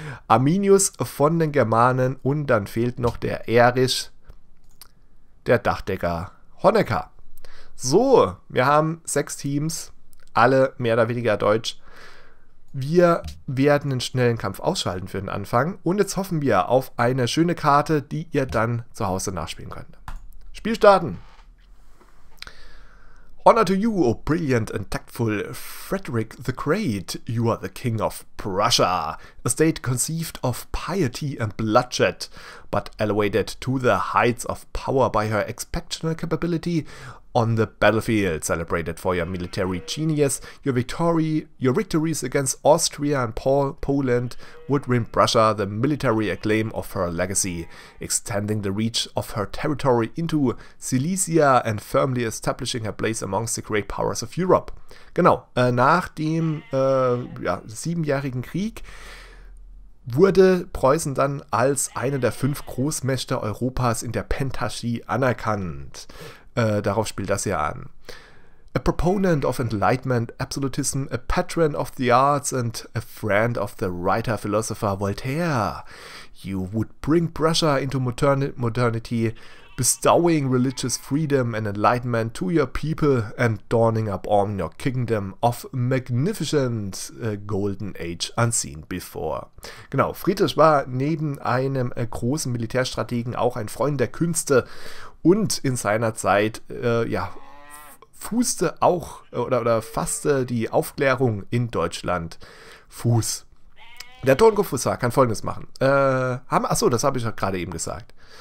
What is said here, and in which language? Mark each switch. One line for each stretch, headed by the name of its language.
German: Arminius von den Germanen und dann fehlt noch der Erich, der Dachdecker. Honecker. So, wir haben 6 Teams, alle mehr oder weniger deutsch. Wir werden einen schnellen Kampf ausschalten für den Anfang und jetzt hoffen wir auf eine schöne Karte, die ihr dann zu Hause nachspielen könnt. Spiel starten!
English: Honor to you, oh brilliant and tactful Frederick the Great, you are the King of Prussia, a state conceived of piety and bloodshed, but elevated to the heights of power by her exceptional capability on the battlefield, celebrated for your military genius, your victories against Austria and Poland would win Prussia the military acclaim of her legacy, extending the reach of her territory into Silesia and firmly establishing her place amongst the great powers of Europe.
German: Genau, nach dem 7-jährigen Krieg wurde Preußen dann als eine der 5 Großmächte Europas in der Pentarchie anerkannt. Darauf spielt das ja an.
English: A proponent of enlightenment, absolutism, a patron of the arts and a friend of the writer-philosopher Voltaire. You would bring Prussia into modernity, bestowing religious freedom and enlightenment to your people and dawning upon your kingdom of magnificent golden age unseen before.
German: Genau, Friedrich war neben einem großen Militärstrategen auch ein Freund der Künste. Und in seiner Zeit fußte auch oder fasste die Aufklärung in Deutschland Fuß. Der Tonkofusa kann Folgendes machen. Das habe ich gerade eben gesagt.